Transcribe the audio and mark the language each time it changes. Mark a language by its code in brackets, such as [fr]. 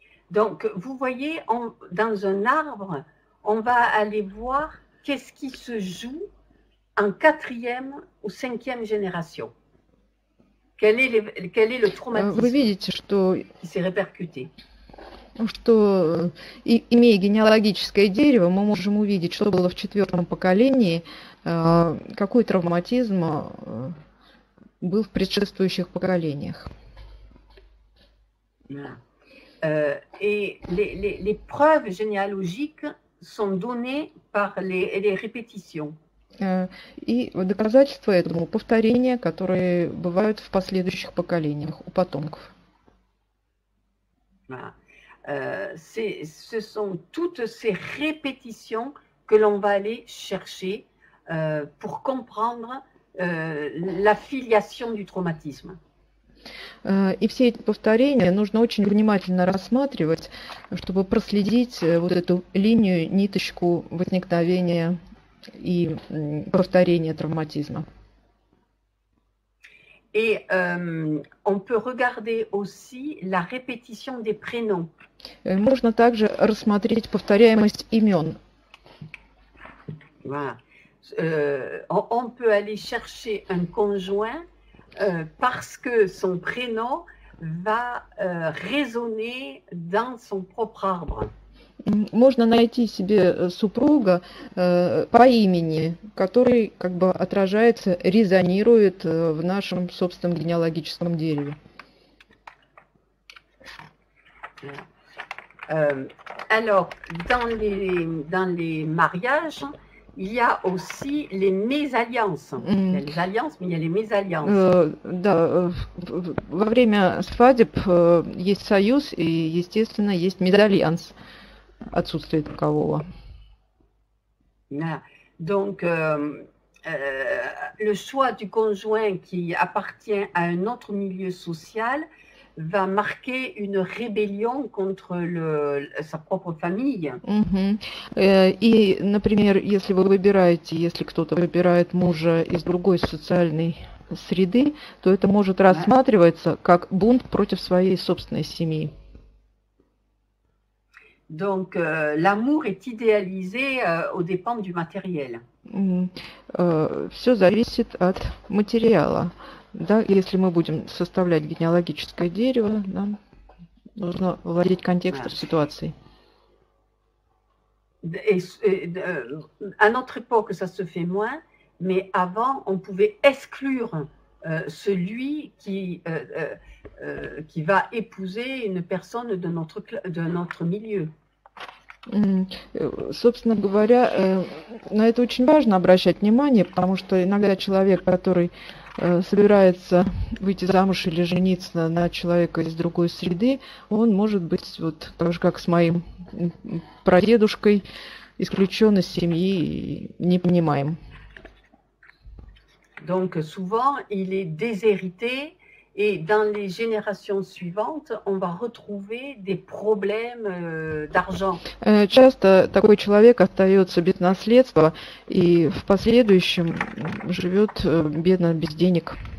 [fr] Donc, vous voyez, dans un arbre, on va aller voir qu'est-ce qui se joue en quatrième ou cinquième génération. Quel est le traumatisme [ru] Вы видите, что... [fr] qui s'est répercuté. [ru] Что, имея генеалогическое дерево, мы можем увидеть, что было в четвертом поколении, какой травматизм был в предшествующих поколениях. [fr] И les preuves généalogiques sont données par les répétitions. [ru] И доказательства этому повторения, которые бывают в последующих поколениях у потомков. [fr] Ce sont toutes ces répétitions que l'on va aller chercher pour comprendre la filiation du traumatisme. [ru] И все эти повторения нужно очень внимательно рассматривать, чтобы проследить вот эту линию, ниточку возникновения и повторения травматизма. [fr] Et on peut regarder aussi la répétition des prénoms. [ru] Можно также рассмотреть повторяемость имен. [fr] Voilà. On peut aller chercher un conjoint parce que son prénom va résonner dans son propre arbre. [ru] Можно найти себе супруга по имени, который как бы отражается, резонирует в нашем собственном генеалогическом дереве. [fr] Alors, dans les mariages, il y a aussi les mésalliances. Il y a les alliances, mais il y a les mésalliances. [ru] Во время свадеб есть союз и, естественно, есть мезальянс. Отсутствие такового. [fr] Voilà. Donc, le choix du conjoint qui appartient à un autre milieu social va marquer une rébellion contre sa propre famille. [ru] И, например, если вы выбираете, если кто-то выбирает мужа из другой социальной среды, то это может рассматриваться как бунт против своей собственной семьи. [fr] Donc, l'amour est idéalisé aux dépens du matériel. [ru] Все зависит от материала. Да? Если мы будем составлять генеалогическое дерево, нам нужно владеть контекстом ситуации. [fr] À notre époque, ça se fait moins, mais avant, on pouvait exclure celui qui va épouser une personne de notre milieu. [ru] Собственно говоря, на это очень важно обращать внимание, потому что иногда человек, который собирается выйти замуж или жениться на человека из другой среды, он может быть вот так же, как с моим прадедушкой, исключен из семьи и непонимаем. [fr] Donc souvent, il est déshérité et dans les générations suivantes, on va retrouver des problèmes d'argent. [ru] Часто такой человек остается без наследства и в последующем живет бедно, без денег.